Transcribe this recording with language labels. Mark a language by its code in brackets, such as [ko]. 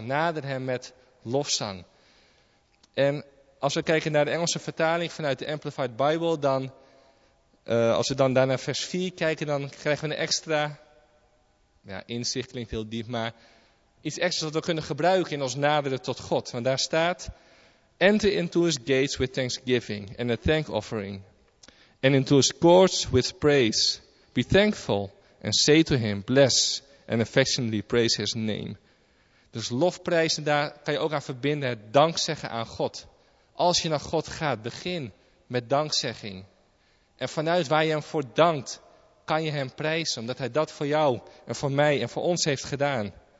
[nl] Nader hem met lofzang. En als we kijken naar de Engelse vertaling vanuit de Amplified Bible, dan als we dan daar naar vers 4 kijken, dan krijgen we een extra, ja, inzicht klinkt heel diep, maar iets extra's dat we kunnen gebruiken in ons naderen tot God. Want daar staat, [en] enter into his gates with thanksgiving and a thank offering. And into his courts with praise. Be thankful and say to him, bless and affectionately praise his name. [nl] Dus lofprijzen, daar kan je ook aan verbinden, het dankzeggen aan God. Als je naar God gaat, begin met dankzegging. En vanuit waar je hem voor dankt, kan je hem prijzen. Omdat hij dat voor jou en voor mij en voor ons heeft gedaan.